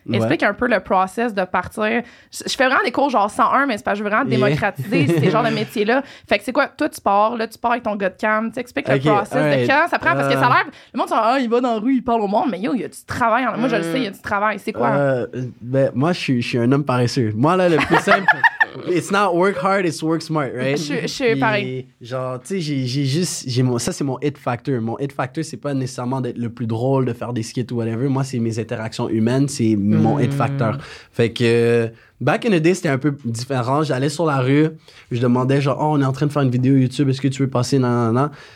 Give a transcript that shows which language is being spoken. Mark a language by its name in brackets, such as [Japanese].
[French] Explique un peu le process de partir. Je fais vraiment des cours genre 101, mais c'est pas, je veux vraiment démocratiser ces genres de métiers là. Fait que c'est quoi, toi tu pars avec ton godcam, tu expliques le process de quand ça prend, parce que ça a l'air le monde sont, ah, il va dans la rue, il parle au monde, mais yo, il y a du travail. Moi je le sais, il y a du travail. C'est quoi? Ben moi je suis un homme paresseux. Moi là le plus simple [English] it's not work hard, it's work smart, right? [French] Je suis pareil. Genre, tu sais, ça, c'est mon hit factor. Mon hit factor, c'est pas nécessairement d'être le plus drôle, de faire des skits ou whatever. Moi, c'est mes interactions humaines, c'est mon hit factor. Fait que, [English] back in the day, [French] c'était un peu différent. J'allais sur la rue, je demandais, genre, oh, on est en train de faire une vidéo YouTube, est-ce que tu veux passer? Nanana.